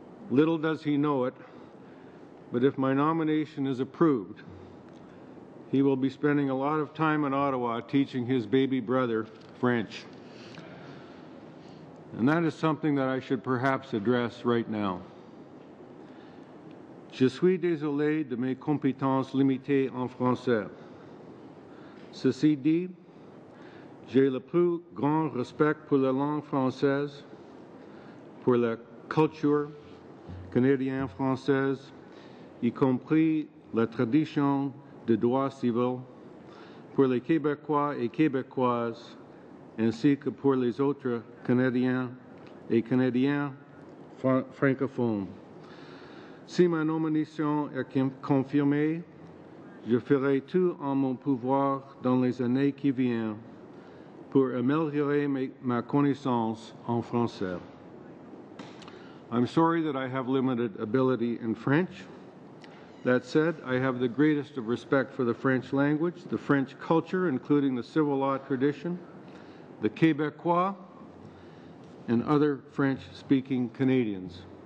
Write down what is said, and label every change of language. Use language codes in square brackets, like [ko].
[en] Little does he know it, but if my nomination is approved, he will be spending a lot of time in Ottawa teaching his baby brother French. And that is something that I should perhaps address right now. [fr] Je suis désolé de mes compétences limitées en français. Ceci dit, j'ai le plus grand respect pour la langue française, pour la culture canadienne-française, y compris la tradition de droit civil, pour les Québécois et Québécoises, ainsi que pour les autres Canadiens et Canadiennes francophones. Si ma nomination est confirmée, je ferai tout en mon pouvoir dans les années qui viennent pour améliorer ma connaissance en français. [en] I'm sorry that I have limited ability in French. That said, I have the greatest of respect for the French language, the French culture, including the civil law tradition, the Québécois, and other French-speaking Canadians.